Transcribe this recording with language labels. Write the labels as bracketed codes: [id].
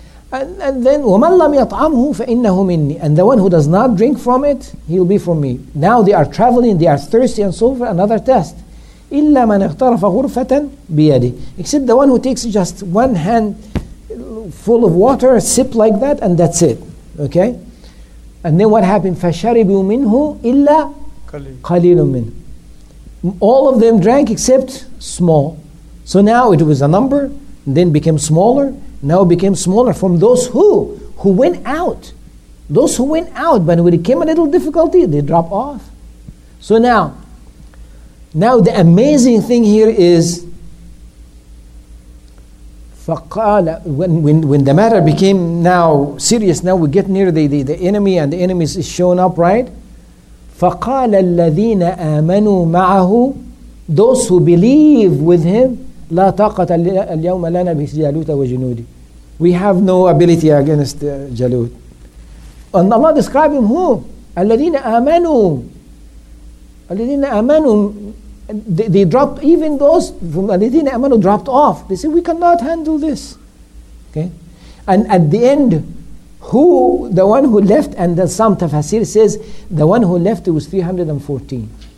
[en] And then [ar] وَمَنْ لَمْ يَطْعَمْهُ فَإِنَّهُ مِنِّي. [en] And the one who does not drink from it, he'll be from me. Now they are traveling, they are thirsty and so forth. Another test. [ar] إِلَّا مَنْ اَغْتَرَفَ غُرْفَةً بِيَدِي. [en] Except the one who takes just one hand full of water, a sip like that, and that's it. Okay? And then what happened? [ar] فَشَرِبُوا مِنْهُ إِلَّا قَلِيلٌ مِنْهُ. [en] All of them drank except small. So now it was a number, and then became smaller. Now it became smaller from those who went out. Those who went out, but when it came a little difficulty, they dropped off. So now the amazing thing here is, فَقَالَ, when the matter became now serious, now we get near the enemy, and the enemy is showing up, right? [ar] فَقَالَ الَّذِينَ آمَنُوا مَعَهُ. [en] Those who believe with him, [ar] لَا طَاقَةَ الْيَوْمَ لَنَا بِجَالُوتَ وَجُنُودِ. [en] We have no ability against Jalut. And Allah described him who? [ar] الَّذِينَ آمَنُوا. الَّذِينَ آمَنُوا. [en] They dropped, even those from [ar] الَّذِينَ آمَنُوا [en] dropped off. They said, we cannot handle this. Okay? And at the end, who, the one who left, and the Sam Tafasir says, the one who left was 314.